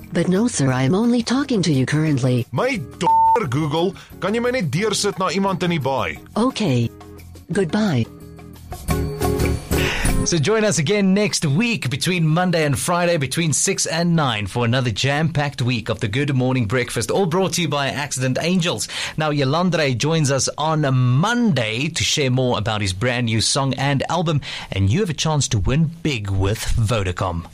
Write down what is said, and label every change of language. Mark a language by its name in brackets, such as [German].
[English] But no, sir, I am only talking to you currently. My daughter, Google. [Afrikaans] Kan jy my net deursit na iemand in die baai? [English] Okay. Goodbye. So join us again next week between Monday and Friday between 6 and 9 for another jam-packed week of the Good Morning Breakfast, all brought to you by Accident Angels. Now, Yolandre joins us on Monday to share more about his brand new song and album, and you have a chance to win big with Vodacom.